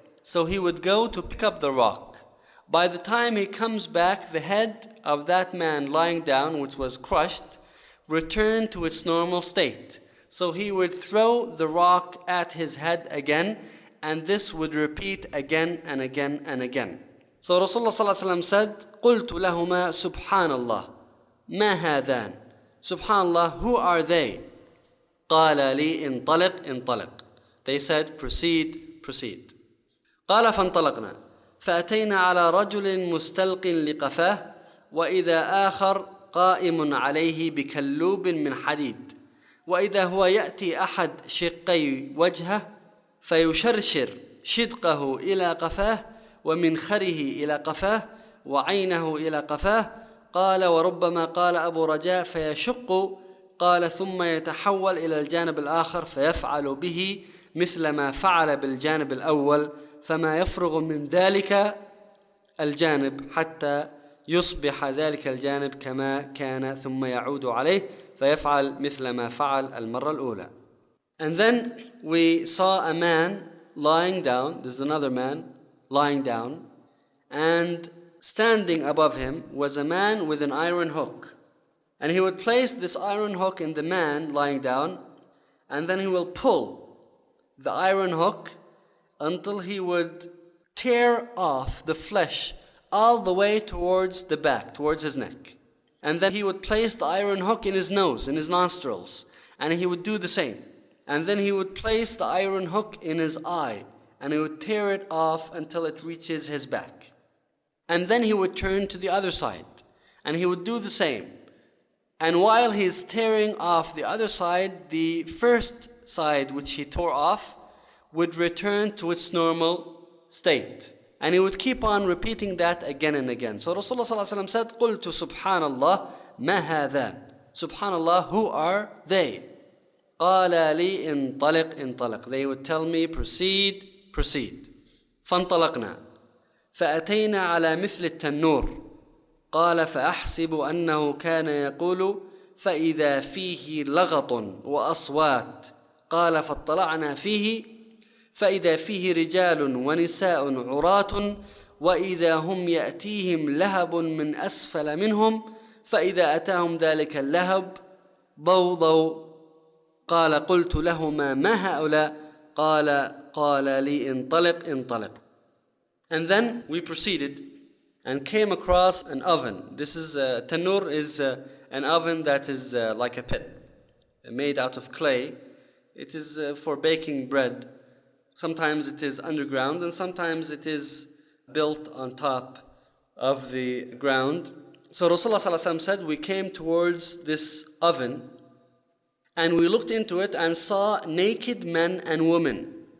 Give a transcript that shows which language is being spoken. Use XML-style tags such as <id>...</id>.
<en>So he would go to pick up the rock. By the time he comes back, the head of that man lying down, which was crushed, returned to its normal state. So he would throw the rock at his head again, and this would repeat again and again and again. So Rasulullah صلى الله عليه وسلم said,</en> <ar>قلت لهما سبحان الله</ar> <en>ما هذان سبحان الله, who are they?</en> <ar>قال لي انطلق انطلق.</ar> <en>They said, proceed, proceed.</en> <ar>قال فانطلقنا فأتينا على رجل مستلق لقفاه وإذا آخر قائم عليه بكلوب من حديد وإذا هو يأتي أحد شقي وجهه فيشرشر شدقه إلى قفاه ومنخره إلى قفاه وعينه إلى قفاه. قال وربما قال أبو رجاء فيشق. قال ثم يتحول إلى الجانب الآخر فيفعل به مثل ما فعل بالجانب الأول فما يفرغ من ذلك الجانب حتى يصبح ذلك الجانب كما كان ثم يعود عليه فيفعل مثل ما فعل المرة الأولى.</ar> <en>And then we saw a man lying down. This is another man lying down, and standing above him was a man with an iron hook. And he would place this iron hook in the man lying down, and then he will pull the iron hook until he would tear off the flesh all the way towards the back, towards his neck. And then he would place the iron hook in his nose, in his nostrils, and he would do the same. And then he would place the iron hook in his eye, and he would tear it off until it reaches his back. And then he would turn to the other side, and he would do the same. And while he's tearing off the other side, the first side which he tore off would return to its normal state. And he would keep on repeating that again and again. So Rasulullah ﷺ said,</en> <ar>قُلْتُ سُبْحَانَ اللَّهِ مَا هَذَا سُبْحَانَ اللَّهِ</ar> <en>Who are they?</en> <ar>قَالَ لِي انطلق انطلق</ar> <en>They would tell me, proceed, proceed.</en> <ar>فَانْطَلَقْنَا فَأَتَيْنَا عَلَى مِثْلِ التَّنُّورِ قَالَ فَأَحْسِبُ أَنَّهُ كَانَ يَقُولُ فَإِذَا فِيهِ لَغَطٌ وَأَصْوَاتٌ قَالَ فَاطَّلَعْنَا فِيهِ فَإِذَا فِيهِ رِجَالٌ وَنِسَاءٌ عُرَاتٌ وَإِذَا هُمْ يَأْتِيهِمْ لَهَبٌ مِنْ أَسْفَلَ مِنْهُمْ فَإِذَا أَتَاهُمْ ذَلِكَ اللَّهَبُ ضَوْضَوْ قَالَ قُلْتُ لَهُمَا مَا هَؤُلَاء قَالَ لِي انطلق انطلق</ar> <en>And then we proceeded and came across an oven. This is tanur is an oven that is like a pit made out of clay. It is for baking bread. Sometimes it is underground and sometimes it is built on top of the ground. So Rasulullah ﷺ said, we came towards this oven and we looked into it and saw naked men and women.</en>